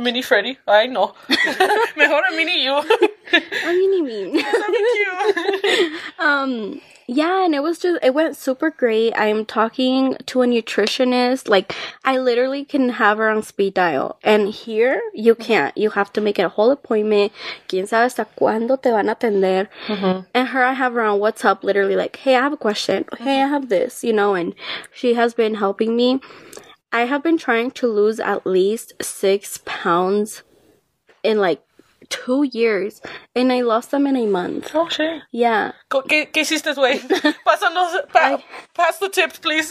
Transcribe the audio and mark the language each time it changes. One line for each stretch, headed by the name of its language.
English: a mini Freddy. I know. Mejor a mini you. A mini me. Yeah, and it was just, it went super great. I'm talking to a nutritionist. Like, I literally can have her on speed dial. And here, you can't. You have to make it a whole appointment.
Spanish: ¿Quién sabe hasta cuándo te van a atender?
English: Mm-hmm. And her, I have her on WhatsApp, literally like, hey, I have a question. Mm-hmm. Hey, I have this, you know, and she has been helping me. I have been trying to lose at least 6 pounds in, like, 2 years, and I lost them in a month. Oh, shit. Yeah.
Spanish: ¿Qué hiciste, güey?
English: Pass the tips, please.